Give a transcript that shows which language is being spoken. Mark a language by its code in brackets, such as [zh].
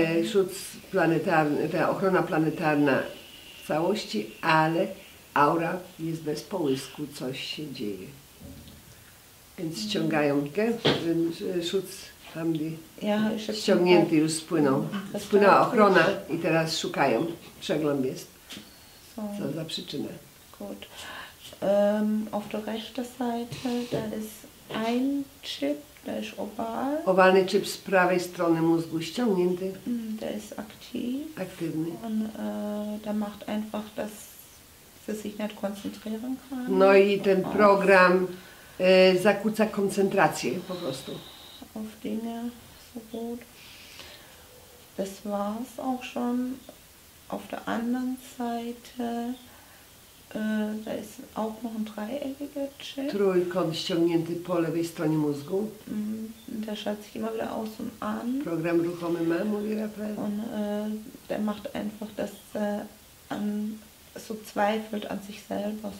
[pl] Schutz planetarny, ta ochrona planetarna w całości, ale aura jest bez połysku, coś się dzieje. Więc ściągają, Schutz tam ściągnięty już spłynął. Spłynęła ochrona i teraz szukają. Przegląd jest. Co za przyczynę. [de] Gut. Auf der rechten Seite, da ist ein Chip, da ist oval. [pl] Owalny chip z prawej strony mózgu ściągnięty. [de] Der ist aktiv. [pl] Aktywny. [de] Und der macht einfach, dass sie sich nicht konzentrieren kann. [pl] No i ten program zakłóca koncentrację po prostu. [de] Auf Dinge, so gut. Das war's auch schon. Auf der anderen Seite, da ist auch noch ein dreieckiger Chip. [pl] Trójkąt ściągnięty po lewej stronie mózgu. [de] Der schaut sich immer wieder aus und an. [pl] Programm ruchomy ma, mówi Rafael. [de] Und der macht einfach, dass er so zweifelt an sich selber.